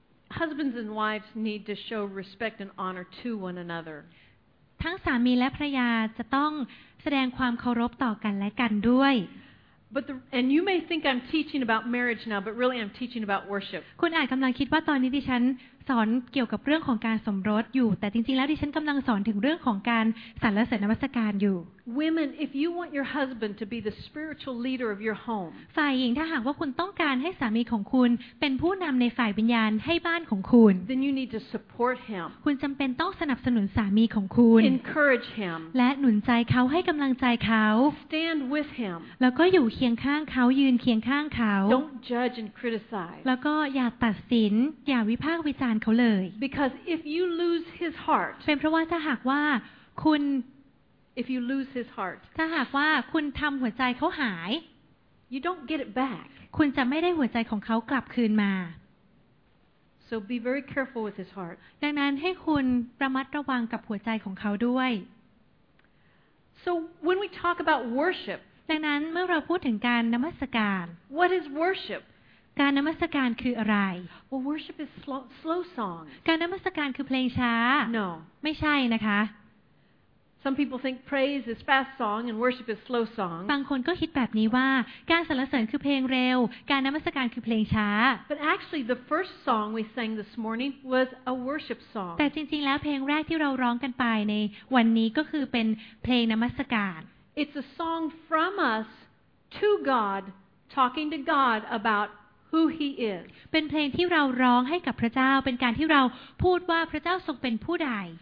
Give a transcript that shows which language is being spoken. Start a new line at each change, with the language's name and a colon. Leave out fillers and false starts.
English: Husbands and wives need to show respect and honor to one another.
Thai: ทั้งสามีและภรรยาจะต้องแสดงความเคารพต่อกันและกันด้วย
English: and you may think I'm teaching about marriage now but really I'm teaching about worship
Thai: คุณอาจกำลังคิดว่าตอนนี้ดิฉันสอนเกี่ยวกับเรื่องของการสมรสอยู่แต่จริงๆแล้วดิฉันกำลังสอนถึงเรื่องของการสรรเสริญนมัสการอยู่
English: women if you want your husband to be the spiritual leader of your home
Thai: ฝ่ายหญิงถ้าหากว่าคุณต้องการให้สามีของคุณเป็นผู้นำในฝ่ายวิญญาณให้บ้านของคุณ
English: then you need to support him
Thai: คุณจำเป็นต้องสนับสนุนสามีของคุณ
English: encourage him
Thai: และหนุนใจเขาให้กำลังใจเขา
English: stand with him
Thai: แล้วก็อยู่เคียงข้างเขายืนเคียงข้างเขา
English: don't judge and criticize
Thai: แล้วก็อย่าตัดสินอย่าวิพากษ์วิจารณ์
English: Because if you lose his heart,
Thai: เป็นเพราะว่าถ้าหากว่าคุณ
English: if you lose his heart,
Thai: ถ้าหากว่าคุณทำหัวใจเขาหาย
English: You don't get it back.
Thai: คุณจะไม่ได้หัวใจของเขากลับคืนมา
English: So be very careful with his heart.
Thai: ดังนั้นให้คุณระมัดระวังกับหัวใจของเขาด้วย
English: So when we talk about worship,
Thai: ดังนั้นเมื่อเราพูดถึงการนมัสการ
English: What is worship?
Thai: การนมัสการคืออะไร
English: Well, worship is slow song.
Thai: การนมัสการคือเพลงช้า
English: No.
Thai: ไม่ใช่นะคะ
English: Some people think praise is fast song and worship is slow song.
Thai: บางคนก็คิดแบบนี้ว่าการสรรเสริญคือเพลงเร็วการนมัสการคือเพลงช้า
English: But actually, the first song we sang this morning was a worship song.
Thai: แต่จริงๆแล้วเพลงแรกที่เราร้องกันไปในวันนี้ก็คือเป็นเพลงนมัสการ
English: It's a song from us to God, talking to God aboutWho he is.
Thai: เป็นเพลงที่เราร้องให้กับพระเจ้าเป็นการที่เราพูดว่าพระเจ้าทรงเป็นผู้ใด